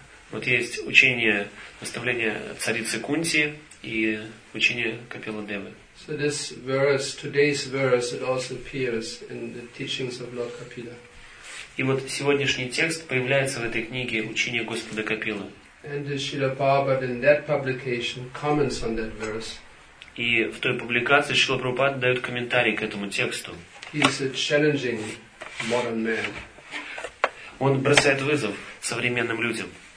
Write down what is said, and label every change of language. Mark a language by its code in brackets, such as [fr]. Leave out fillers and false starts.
[ru] Вот есть учение, наставление царицы Кунти и учение Капила Девы. [en] So this verse, today's verse, it also appears in the teachings of Lord Kapila. [ru] И вот сегодняшний текст появляется в этой книге «Учение Господа Капилы». [en] And Srila Prabhupada in that publication comments on that verse. [ru] И в той публикации Шрила Прабхупада дает комментарий к этому тексту. [en] He is a challenging modern man. [ru] Он бросает вызов современным людям.